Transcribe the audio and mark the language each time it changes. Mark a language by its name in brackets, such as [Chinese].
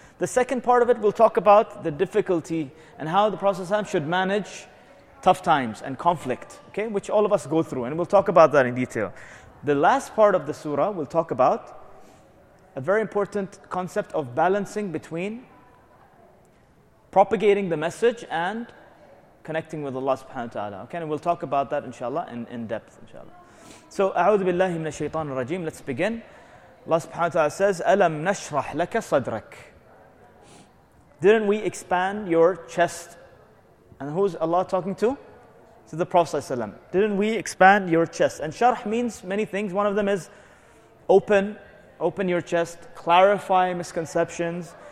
[English] The second part of it, we'll talk about the difficulty and how the Prophet ﷺ should manage tough times and conflict, okay, which all of us go through, and we'll talk about that in detail. The last part of the surah, we'll talk about a very important concept of balancing between propagating the message and connecting with Allah subhanahu wa ta'ala, okay, and we'll talk about that, inshallah, in depth, inshallah. So, [Arabic] أعوذ بالله من الشيطان الرجيم, [English] let's begin. Allah subhanahu wa ta'ala says, [Arabic] أَلَمْ نَشْرَحْ لَكَ صَدْرَكَ. [English] Didn't we expand your chest? And who's Allah talking to? To the Prophet ﷺ. Didn't we expand your chest? And sharh means many things. One of them is open your chest, clarify misconceptions.